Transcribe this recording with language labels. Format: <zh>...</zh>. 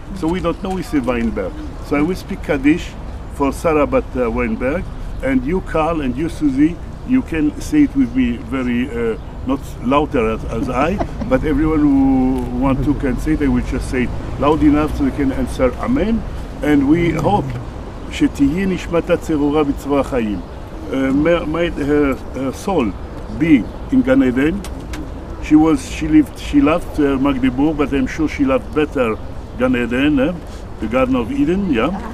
<en>So we don't know, we say Weinberg. So I will speak Kaddish for Sarah, but Weinberg. And you, Carl, and you, Susie, you can say it with me very, not louder as I, but everyone who wants to can say it, they will just say it loud enough so they can answer Amen. And we hope,</en> <he>שתהיה נשמתה צרורה בצבא החיים.</he> <en>May her soul be in Gan Eden. She loved Magdeburg, but I'm sure she loved better Gan Eden, the Garden of Eden, yeah.</en>